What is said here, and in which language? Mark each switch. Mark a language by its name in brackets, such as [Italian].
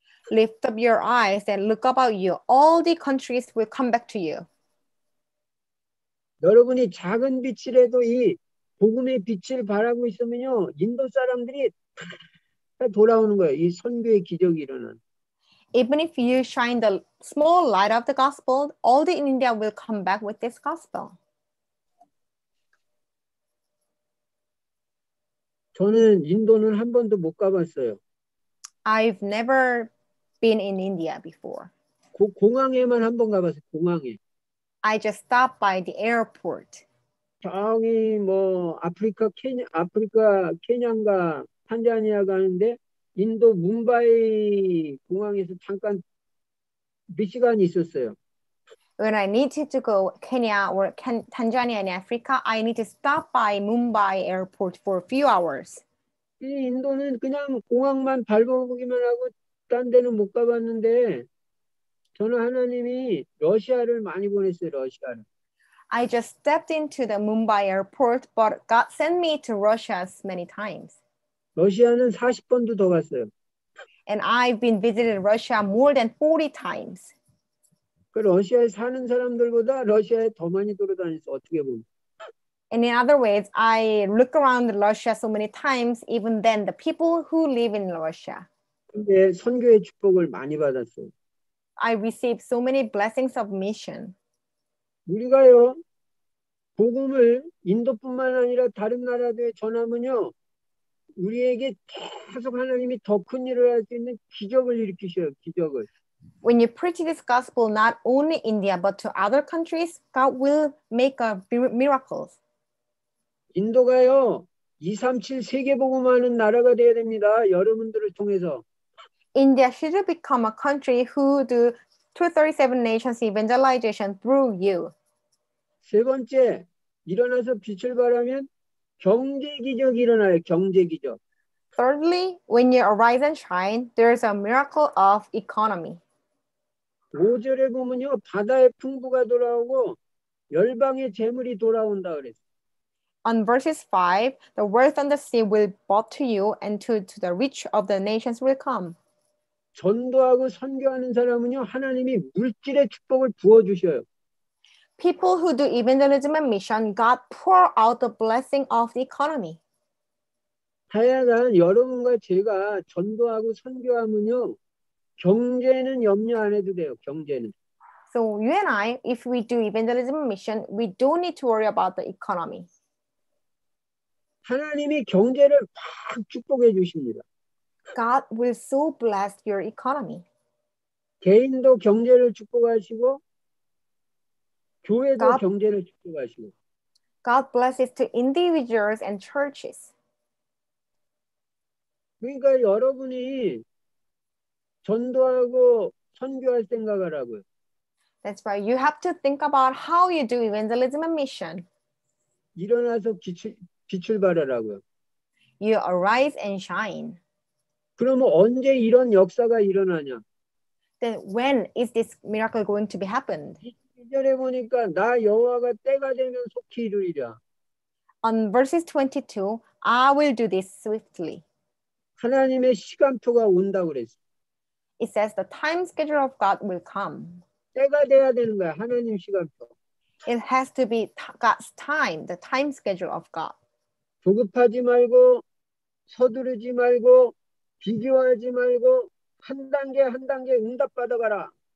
[English] Lift up your eyes and look about you. All the countries will come back to you. [Korean] 여러분이 작은 빛이라도 이 복음의 빛을 바라고 있으면요. 인도 사람들이 다 돌아오는 거예요. 이 선교의 기적이 일어나는. [English] Even if you shine the small light of the gospel, all the India will come back with this gospel. [Korean] 저는 인도는 한 번도 못 가봤어요. [English] I've never been in India before. [Korean] 공항에만 한 번 가봤어요. 공항에. [English] I just stopped by the airport. [Korean] 저기 뭐 아프리카 케냐가 탄자니아 가는데 인도 뭄바이 공항에서 잠깐 몇 시간 있었어요. [English] When I needed to go Kenya or Tanzania in Africa, I need to stop by Mumbai airport for a few hours. [Korean] 인도는 그냥 공항만 밟아보기만 하고 딴 데는 못 가봤는데 저는 하나님이 러시아를 많이 보냈어요, 러시아를. [English] I just stepped into the Mumbai airport, but God sent me to Russia many times. [Korean] 러시아는 40번도 더 갔어요. [English] And I've been visited Russia more than 40 times. [Korean] 그 러시아에 사는 사람들보다 러시아에 더 많이 돌아다녔어, 어떻게 보면. [English] And in other words, I look around Russia so many times, even then, the people who live in Russia. [Korean] 근데 선교의 축복을 많이 받았어요. [English] I received so many blessings of mission. [Korean] 우리가요, 복음을 인도뿐만 아니라 다른 나라들에 전하면요, 우리에게 계속 하나님이 더 큰 일을 할 수 있는 기적을 일으키셔요, 기적을. [English] When you preach this gospel not only in India but to other countries, God will make a miracles. [Korean] 인도가요, 237 세계복음화하는 나라가 되어야 됩니다. 여러분들을 통해서. [English] India should become a country who do 237 nations evangelization through you. [Korean] 세 번째, 일어나서 빛을 발하면 경제 기적이 일어나요. 경제 기적. [English] Thirdly, when you arise and shine, there is a miracle of economy. [Korean] 5절에 보면요, 바다의 풍부가 돌아오고 열방의 재물이 돌아온다 그랬어. [English] On verses 5, the wealth on the sea will bow to you and to the rich of the nations will come. [Korean] 전도하고 선교하는 사람은요, 하나님이 물질의 축복을 부어주셔요. [English] People who do evangelism and mission, God pour out the blessing of the economy. [Korean] 하여간 여러분과 제가 전도하고 선교하면요, 경제는 염려 안 해도 돼요, 경제는. [English] So you and I, if we do evangelism and mission, we don't need to worry about the economy. [Korean] 하나님이 경제를 확 축복해 주십니다. [English] God will so bless your economy. [Korean] 개인도 경제를 축복하시고 교회도 God, 경제를 축복하시고 [English] God blesses to individuals and churches. [Korean] 그러니까 여러분이 전도하고 선교할 생각을 하고요. [English] That's why you have to think about how you do evangelism and mission. [Korean] 일어나서 빛을 발하라고요. [English] You arise and shine. [Korean] 그러면 언제 이런 역사가 일어나냐? [English] Then when is this miracle going to be happened? [Korean] 이전에 보니까 나 여호와가 때가 되면 속히 이루리라. [English] On verses 22, I will do this swiftly. [Korean] 하나님의 시간표가 온다 그랬어. [English] It says the time schedule of God will come. [Korean] 때가 돼야 되는 거야, 하나님 시간표. [English] It has to be God's time, the time schedule of God. [Korean] 조급하지 말고 서두르지 말고 비교하지 말고 한 단계 한 단계 응답 받아가라.